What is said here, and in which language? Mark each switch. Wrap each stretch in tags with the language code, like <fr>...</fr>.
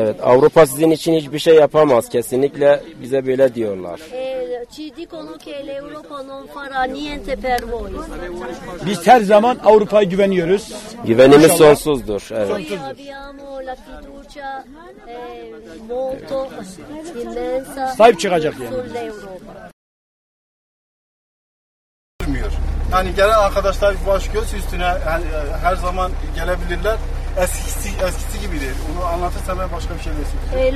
<tr>Evet, Avrupa sizin için hiçbir şey yapamaz kesinlikle bize böyle diyorlar.</tr> <it>Ci dicono che l'Europa non farà niente per voi.</it> <tr>Biz her zaman Avrupa'ya güveniyoruz. Güvenimiz sonsuzdur. Evet.</tr> <it>Noi abbiamo la fiducia molto immensa.</it> <tr>Sahip çıkacak yani. Yani gelen arkadaşlar baş göz üstüne her zaman gelebilirler. Eskisi gibi değil. Onu anlatırsam ben başka bir şey söyleyeyim.</tr>